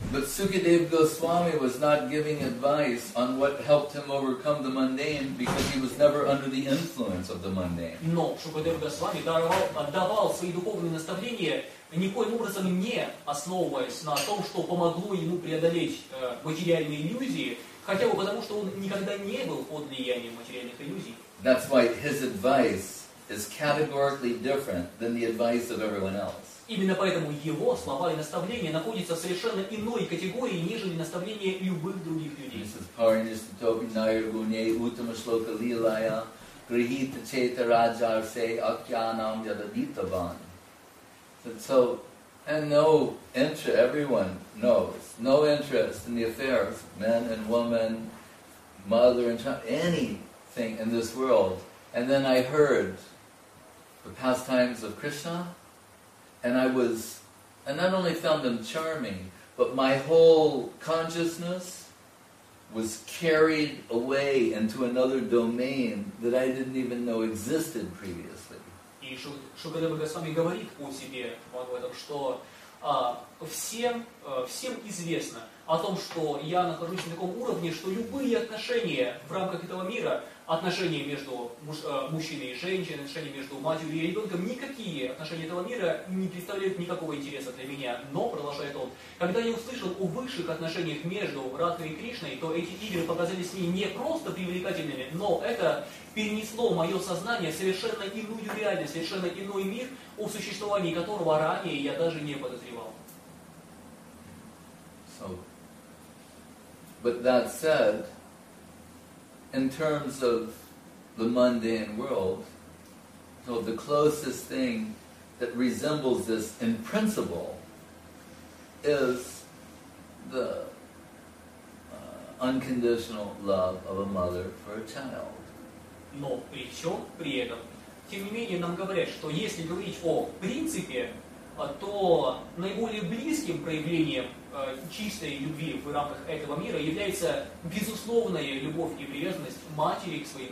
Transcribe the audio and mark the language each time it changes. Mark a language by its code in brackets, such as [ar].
[en] But Sukadeva Goswami was not giving advice on what helped him overcome the mundane, because he was never under the influence of the mundane. [ru] Но Шукадева Госвами давал свои духовные наставления никоим образом не основываясь на том, что помогло ему преодолеть материальные иллюзии, хотя бы потому, что он никогда не был под влиянием материальных иллюзий. [en] That's why his advice is categorically different than the advice of everyone else. [ru] Именно поэтому его слова и наставления находятся в совершенно иной категории, нежели наставления любых других людей. [sa] This is Parinishtatopi Nairguney Uttama Shloka Lilaya Grihita Cheta Rajar Se Akyanam Yadavitavan. [en] And so, and no interest, everyone knows, no interest in the affairs, men and women, mother and child, anything in this world. And then I heard the pastimes of Krishna, and I was, and not only found them charming, but my whole consciousness was carried away into another domain that I didn't even know existed previously. [ru] И Шукадева Госвами говорит о себе, Бхагаватам, что всем известно о том, что я нахожусь на таком уровне, что любые отношения в рамках этого мира, отношения между мужчиной и женщиной, отношения между матерью и ребенком, никакие отношения этого мира не представляют никакого интереса для меня. Но, продолжает он, когда я услышал о высших отношениях между Радхой и Кришной, то эти игры показались мне не просто привлекательными, но это перенесло мое сознание в совершенно иную реальность, совершенно иной мир, о существовании которого ранее я даже не подозревал. [en] So, but that said, in terms of the mundane world, so the closest thing that resembles this in principle is the unconditional love of a mother for a child. [ru] Но при всем при этом, тем не менее, нам говорят, что если говорить о принципе, то наиболее близким проявлением чистой любви в рамках этого мира является безусловная любовь и привязанность матери к своим